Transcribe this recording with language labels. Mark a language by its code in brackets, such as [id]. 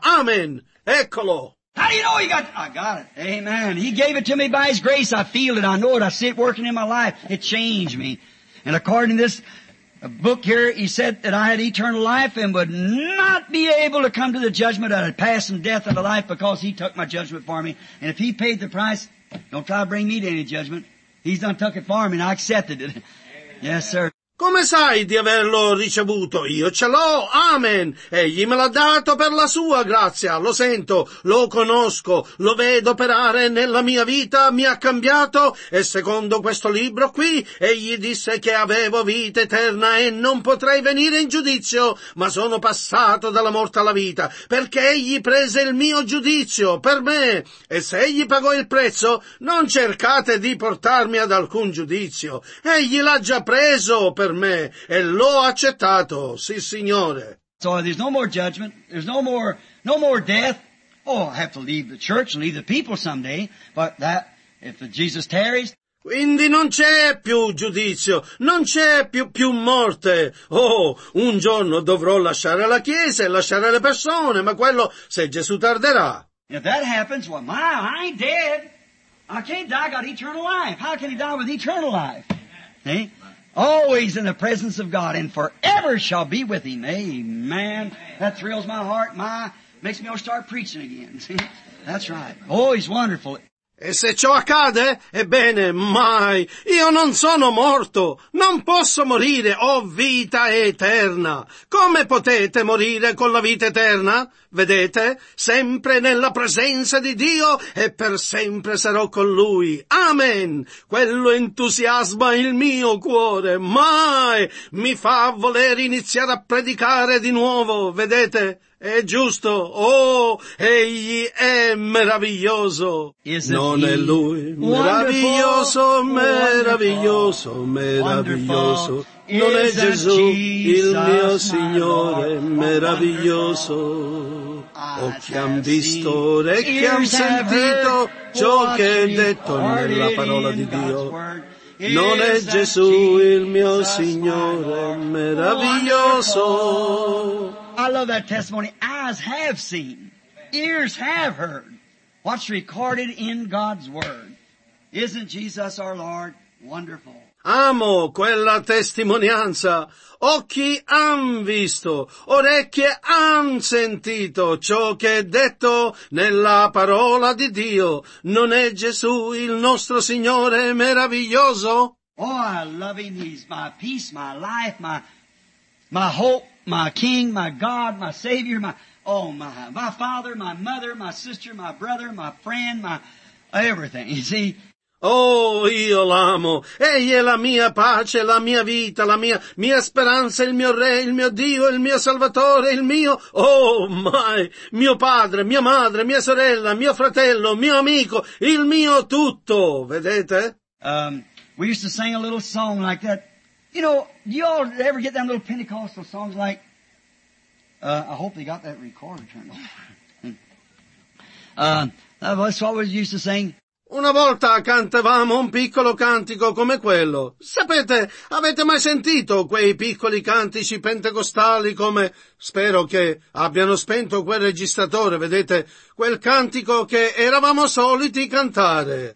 [it] Amen. Eccolo. [en] How do you know he got it? I got it. Amen. He gave it to me by his grace. I feel it. I know it. I see it working in my life. It changed me. And according to this book here, he said that I had eternal life and would not be able to come to the judgment. I had passed from death into life because he took my judgment for me. And if he paid the price, don't try to bring me to any judgment. He's done took it for me and I accepted it. Yes, sir. [it] Come sai di averlo ricevuto? Io ce l'ho, amen! Egli me l'ha dato per la sua grazia, lo sento, lo conosco, lo vedo operare nella mia vita, mi ha cambiato, e secondo questo libro qui, egli disse che avevo vita eterna e non potrei venire in giudizio, ma sono passato dalla morte alla vita, perché egli prese il mio giudizio per me, e se egli pagò il prezzo, non cercate di portarmi ad alcun giudizio, egli l'ha già preso per me e l'ho accettato, sì signore. [en] So there's no more judgment, there's no more death. Oh, I have to leave the church and leave the people someday, but that if Jesus tarries. [it] Quindi non c'è più giudizio, non c'è più morte. Oh, un giorno dovrò lasciare la chiesa e lasciare le persone, ma quello se Gesù tarderà. [en] If that happens, well, my, I ain't dead. I can't die, I got eternal life. How can he die with eternal life? Eh? Always in the presence of God and forever shall be with him. Amen. That thrills my heart. My makes me want to start preaching again. That's right. Oh, he's wonderful. [it] E se ciò accade, ebbene, mai. Io non sono morto. Non posso morire. Ho vita eterna. Come potete morire con la vita eterna? Vedete? Sempre nella presenza di Dio e per sempre sarò con Lui. Amen! Quello entusiasma il mio cuore. Mai mi fa voler iniziare a predicare di nuovo. Vedete? È giusto. Oh, egli è meraviglioso. Non è lui. Meraviglioso, meraviglioso, meraviglioso. Non è Gesù, il mio Signore, meraviglioso. Occhi han visto, orecchi han sentito ciò che è detto nella parola di Dio. Non è Gesù, il mio Signore, meraviglioso. [en] I love that testimony. Eyes have seen, ears have heard what's recorded in God's Word. Isn't Jesus our Lord wonderful? [it] Amo quella testimonianza. Occhi han visto, orecchie han sentito ciò che è detto nella parola di Dio. Non è Gesù il nostro Signore meraviglioso? [en] Oh, I love him. He's my peace, my life, my hope, my King, my God, my Savior, my father, my mother, my sister, my brother, my friend, my everything. You see? [it] Oh, io l'amo. Egli è la mia pace, la mia vita, la mia speranza, il mio re, il mio Dio, il mio Salvatore, il mio... Oh, mai! Mio padre, mia madre, mia sorella, mio fratello, mio amico, il mio tutto. Vedete? [en] We used to sing a little song like that. You know, do you all ever get that little Pentecostal songs like... I hope they got that recorder turned off. That's what we used to sing. [it] Una volta cantavamo un piccolo cantico come quello. Sapete, avete mai sentito quei piccoli cantici pentecostali come... Spero che abbiano spento quel registratore, vedete? Quel cantico che eravamo soliti cantare.